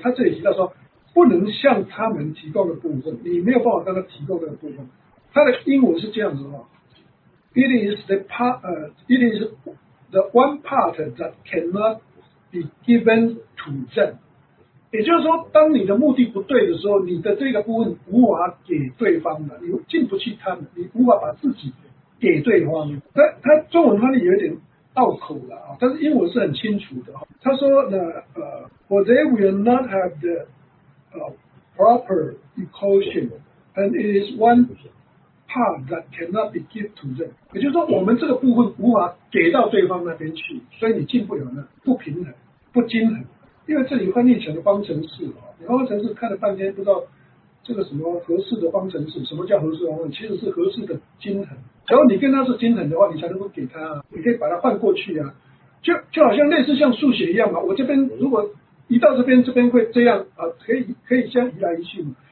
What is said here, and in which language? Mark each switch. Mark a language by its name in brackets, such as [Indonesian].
[Chinese] 他这里提到说不能向他们提供的部分，你没有办法跟他提供的部分，他的英文是这样子的， [English] It is the part it is the one part that cannot be given to them。 [Chinese] 也就是说当你的目的不对的时候，你的这个部分无法给对方的，你进不去他们，你无法把自己给对方。他中文翻译有点拗口了，但是英文是很清楚的。他说 [English] For they will not have the proper equation, and it is one part that cannot be given to them。 [Chinese] 也就是说我们这个部分无法给到对方那边去，所以你进不了那不平衡不均衡。因为这里换逆向的方程式，你方程式看了半天不知道这个什么合适的方程式，什么叫合适的方程式，其实是合适的均衡。然后你跟他是均衡的话，你才能够给他，你可以把它换过去啊，就好像类似像数学一样嘛，我这边如果移到这边，这边会这样啊，可以这样移来移去嘛。